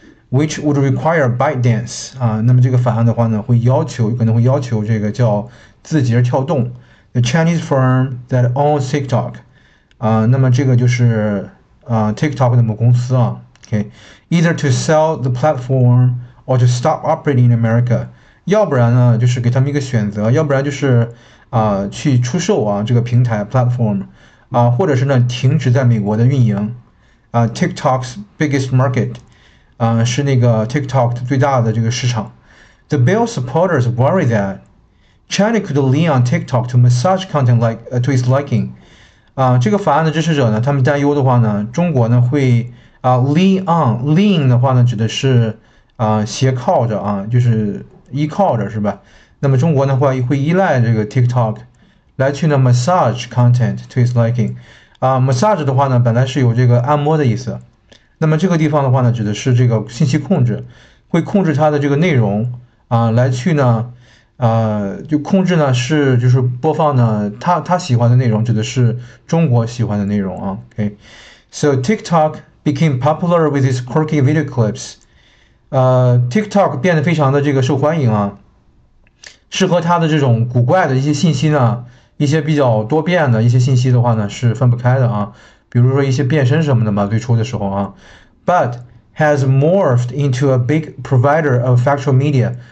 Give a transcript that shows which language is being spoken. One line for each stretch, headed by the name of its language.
English: Which would require ByteDance
Chinese: 啊，那么这个法案的话呢，会要求，可能会要求这个叫字节跳动 ，
English: the Chinese firm that owns TikTok
Chinese: 啊，那么这个就是TikTok 的母公司啊 ，OK，
English: either to sell the platform or to stop operating in America，
Chinese: 要不然呢，就是给他们一个选择，要不然就是去出售啊这个平台 platform 啊，或者是呢停止在美国的运营啊 ，
English: TikTok's biggest market。
Chinese: 是那个 TikTok 最大的这个市场。
English: The bill supporters worry that China could lean on TikTok to massage content like to its liking。
Chinese: 这个法案的支持者呢，他们担忧的话呢，中国呢会lean 的话呢，指的是斜靠着啊，就是依靠着是吧？那么中国呢会依赖这个 TikTok 来去呢
English: massage content to its liking。
Chinese: massage 的话呢，本来是有这个按摩的意思。那么这个地方的话呢，指的是这个信息控制，会控制它的这个内容啊，来去呢，就控制呢是就是播放呢他喜欢的内容，指的是中国喜欢的内容啊。
English: OK， so TikTok became popular with its quirky video clips。
Chinese: TikTok 变得非常的这个受欢迎啊，是和它的这种古怪的一些信息呢，一些比较多变的一些信息的话呢，是分不开的啊。比如说一些变身什么的嘛，最初的时候啊 ，
English: but has morphed into a big provider of factual media。